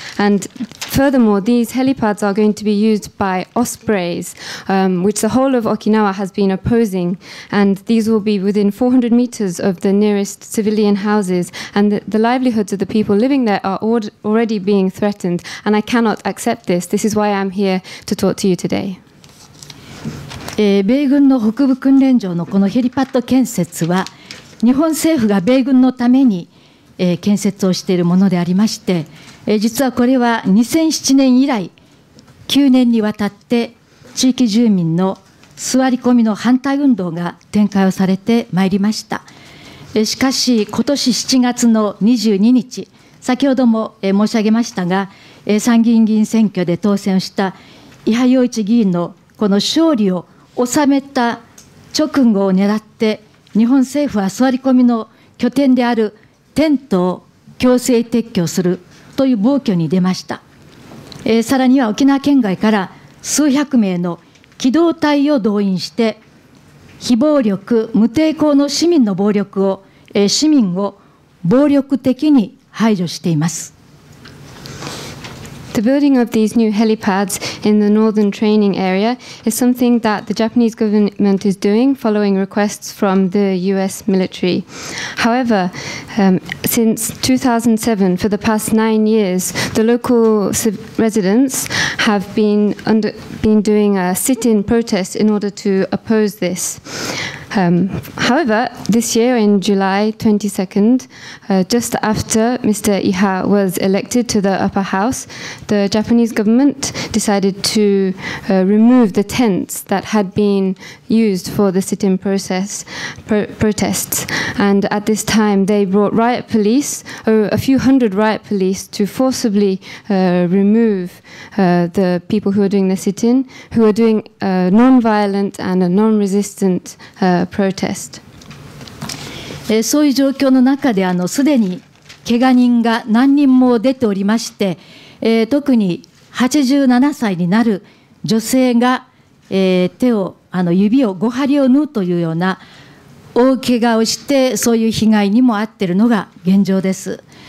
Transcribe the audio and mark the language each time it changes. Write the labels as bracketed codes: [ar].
[en] And furthermore, these helipads are going to be used by Ospreys, which the whole of Okinawa has been opposing. And these will be within 400 meters of the nearest civilian houses. And the livelihoods of the people living there are already being threatened. And I cannot accept this. This is why I'm here. To talk to you today. [ja] 米軍の北部訓練場のこのヘリパッド建設は日本政府が米軍のために建設をしているものでありまして実はこれは2007年以来9年にわたって地域住民の座り込みの反対運動が展開をされてまいりました。しかし今年7月の22日、先ほども申し上げましたが参議院議員選挙で当選をした伊波洋一議員のこの勝利を収めた直後を狙って日本政府は座り込みの拠点であるテントを強制撤去するという暴挙に出ました。さらには沖縄県外から数百名の機動隊を動員して非暴力無抵抗の市民の暴力を市民を暴力的に排除しています。 [en] The building of these new helipads in the northern training area is something that the Japanese government is doing following requests from the US military. However, since 2007, for the past 9 years, the local residents have been doing a sit-in protest in order to oppose this. However, this year in July 22nd, just after Mr. Iha was elected to the upper house, the Japanese government decided to remove the tents that had been used for the sit-in protests. And at this time, they brought riot police, a few hundred riot police, to forcibly remove the people who are doing the sit-in, who are doing a non-violent and a non-resistant protest. [ja] そういう状況の中で、すでにけが人が何人も出ておりまして、特に87歳になる女性が、手を指を5針を縫うというような大けがをしてそういう被害にも遭っているのが現状です。